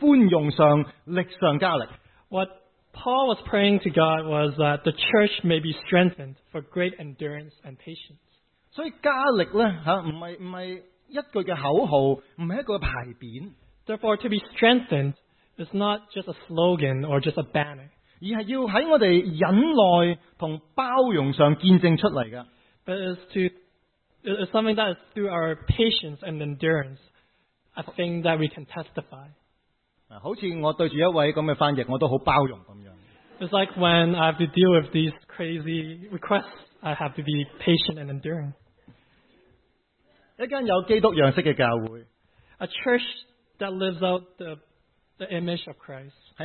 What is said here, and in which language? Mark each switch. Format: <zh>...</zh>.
<yue>保羅求神是教會在忍耐寬容上力上加力。</yue> <en>What Paul was praying to God was that the church may be strengthened for great endurance and patience.</en> <yue>所以加力呢,不是一句的口號,不是一個牌匾。</yue> <en>Therefore, to be strengthened is not just a slogan or just a banner.</en> <yue>而是要在我們忍耐和包容上見證出來的。</yue> <en>But it's something that is through our patience and endurance, a thing that we can testify.</en> <yue>好像我對著一位這樣的翻譯,我都很包容這樣。</yue> <en>It's like when I have to deal with these crazy requests, I have to be patient and enduring.</en> <yue>一間有基督樣式的教會。</yue> <en>A church that lives out the image of Christ.</en>